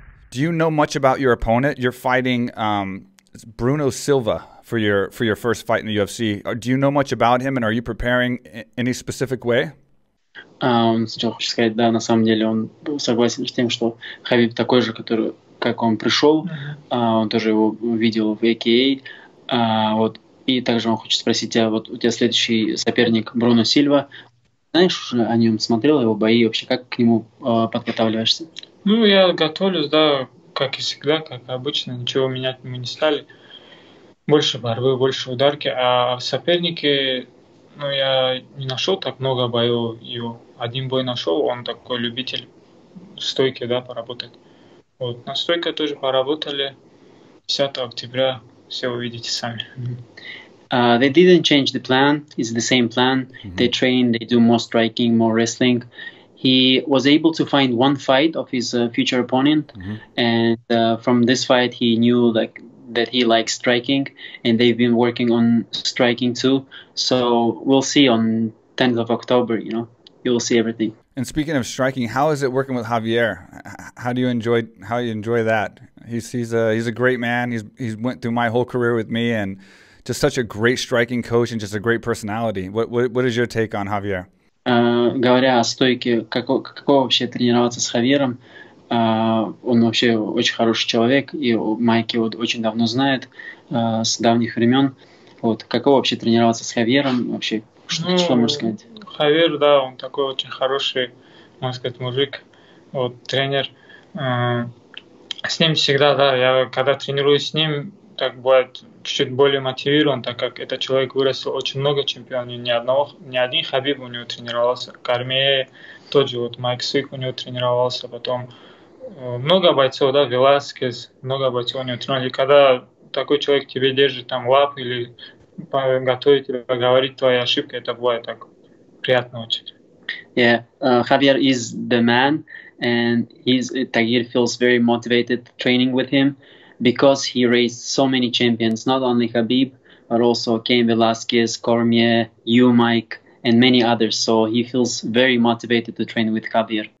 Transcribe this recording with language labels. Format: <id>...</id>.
<en>Do you know much about your opponent? You're fighting Bruno Silva for your first fight in the UFC. Do you know much about him, and are you preparing in any specific way?</en> <ru>Сначала хочу сказать, да, на самом деле он был согласен с тем, что Хабиб такой же, который, как он пришел, он тоже его видел в AKA, вот, и также он хочет спросить тебя, вот у тебя следующий соперник Бруно Сильва, знаешь уже о нем, смотрел его бои, вообще как к нему подготавливаешься? Ну, я готовлюсь, да, как и всегда, как обычно, ничего менять мы не стали, больше борьбы, больше ударки, а соперники... Ну, я не нашел так много боев его. Один бой нашел, он такой любитель стойки, да, поработать. Вот, на стойке тоже поработали. 10 октября все увидите сами.</ru> <en>They didn't change the plan. It's the same plan. Mm-hmm. They train, they do more striking, more wrestling. He was able to find one fight of his future opponent. Mm-hmm. And from this fight he knew, like, that he likes striking, and they've been working on striking too. So we'll see on 10th of October, you know, you'll see everything. And speaking of striking, how is it working with Javier? How do you enjoy that? He's a great man. He's went through my whole career with me, and just such a great striking coach and just a great personality. What is your take on Javier?</en> <ru>Говоря о стойке, как вообще тренироваться с Хавьером? Он вообще очень хороший человек, и Майки вот очень давно знает, с давних времен. Вот, каково вообще тренироваться с Хавьером? Вообще, что можно сказать? Хавьер, да, он такой очень хороший, можно сказать, мужик, вот, тренер. С ним всегда, да, я когда тренируюсь с ним, так бывает чуть-чуть более мотивирован, так как этот человек вырастил очень много чемпионов, ни один Хабиб у него тренировался, Кармье, тот же вот Майк Свик у него тренировался, потом много бойцов, да, Веласкес, много бойцов у него тренировали. Когда такой человек тебе держит там лап или готовит тебя говорить твои ошибки, это бывает так приятно очень.</ru> <en>Yeah, Javier is the man, and Tagir feels very motivated training with him because he raised so many champions, not only Khabib, but also Cain, Velasquez, Cormier, you, Mike, and many others. So he feels very motivated to train with Javier.</en>